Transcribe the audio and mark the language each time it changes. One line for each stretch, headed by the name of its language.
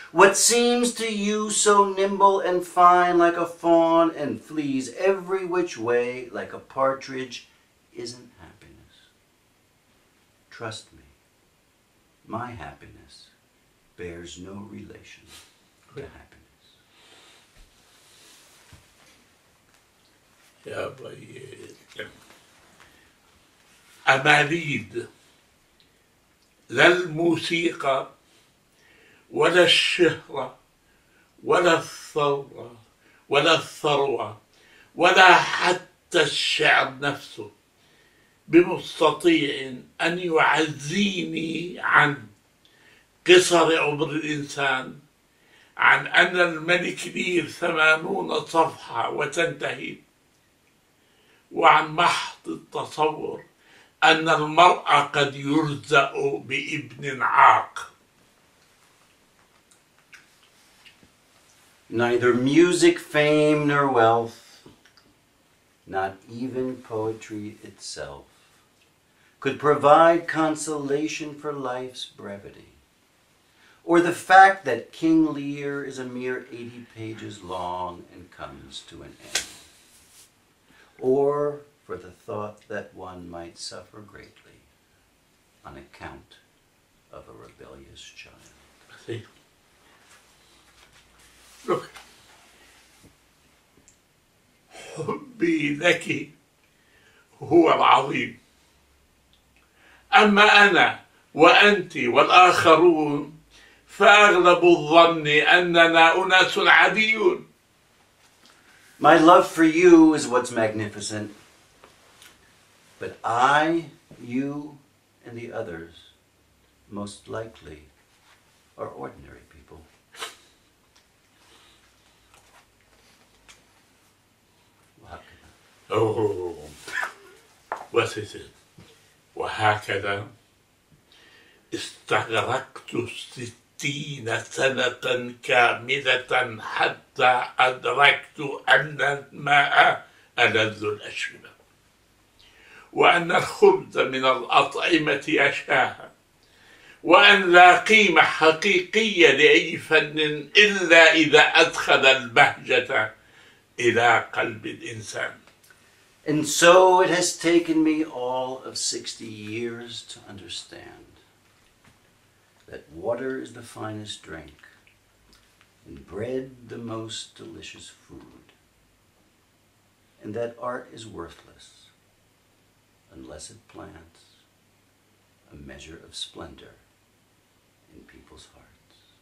English: What seems to you so nimble and fine, like a fawn, and flees every which way like a partridge, isn't happiness. Trust me, my happiness bears no relation to happiness.
Arabic: يا بي أماليد، لا الموسيقى ولا الشهرة ولا الثورة ولا الثروة ولا حتى الشعر نفسه بمستطيع أن يعزيني عن قصر عمر الإنسان، عن أن الملك لير 80 صفحة وتنتهي، وعن محض التصور أن المرء قد يرزق بابن عاق.
English: Neither music, fame, nor wealth, not even poetry itself, could provide consolation for life's brevity. Or the fact that King Lear is a mere 80 pages long and comes to an end. Or for the thought that one might suffer greatly on account of a rebellious child. See. Look,
Arabic: ربي لك هو العظيم. أما أنا وأنت والآخرون فأغلب الظن أننا أناس عاديون.
English: My love for you is what's magnificent. But I, you, and the others, most likely, are ordinary people. Oh, what is it?
Arabic: وهكذا استغرقت 60 سنة كاملة حتى أدركت أن الماء ألذ الأشربة وأن الخبز من الأطعمة أشهى وأن لا قيمة حقيقية لأي فن إلا إذا أدخل البهجة إلى قلب الإنسان.
English: And so it has taken me all of 60 years to understand that water is the finest drink and bread the most delicious food, and that art is worthless unless it plants a measure of splendor in people's hearts.